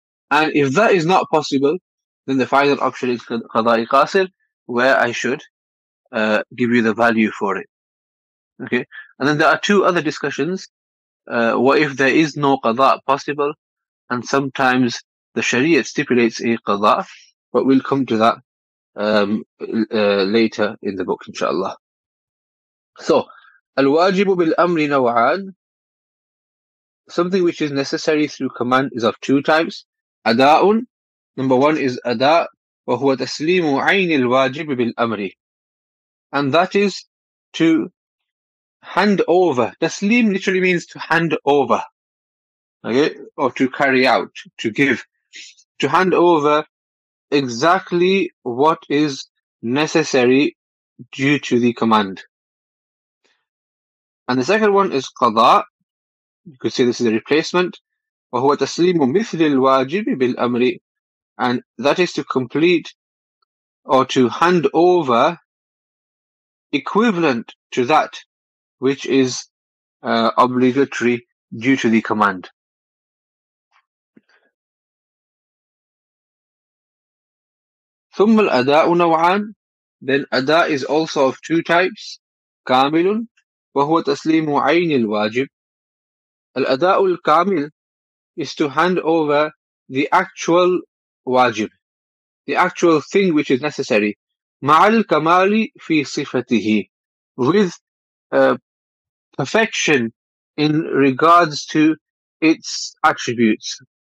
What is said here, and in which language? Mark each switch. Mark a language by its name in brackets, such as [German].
[English] And if that is not possible, then the final option is قضاء قاصر, where I should give you the value for it. Okay. And then there are two other discussions. What if there is no قضاء possible? And sometimes the Sharia stipulates a قضاء, but we'll come to that later in the book, inshallah. [Arabic] So, الواجب بالأمر نوعان. [English] Something which is necessary through command is of two types. [Arabic] أداء. [English] Number one is [Arabic] أداء, وهو تسليم عين الواجب بالأمر. [English] And that is to hand over. تسليم literally means to hand over. Okay, or to carry out, to give, to hand over exactly what is necessary due to the command. And the second one is قضاء. You could say this is a replacement. [Arabic] وهو تسليم مثل الواجب بالأمر. [English] And that is to complete or to hand over equivalent to that which is obligatory due to the command. [Arabic] ثم الأداء نوعان. [English] Then أداء is also of two types. [Arabic] كامل وهو تسليم عين الواجب. [English] الأداء الكامل is to hand over the actual واجب, the actual thing which is necessary. [Arabic] مع الكمال في صفته, [English] with perfection in regards to its attributes.